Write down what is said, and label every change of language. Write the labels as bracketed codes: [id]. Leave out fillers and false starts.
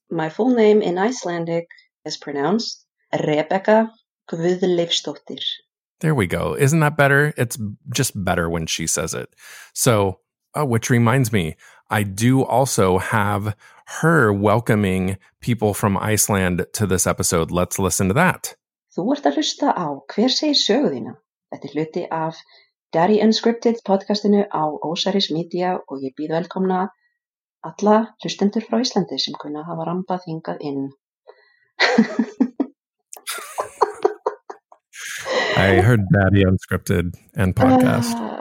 [en] My full name in Icelandic is pronounced Rebecca Gudlifstóttir. There we go. Isn't that better? It's just better when she says it. So, which reminds me, I do also have her welcoming people from Iceland to this episode. Let's listen to that. [is] Þú ert að hlusta á Hver segir sögu þína? Þetta er hluti af Daddy Unscripted podcastinu á Osiris Media og ég býð velkomna alla hlustendur frá Íslandi sem kunna hafa rambað hingað inn. [en] I heard Daddy Unscripted and podcast.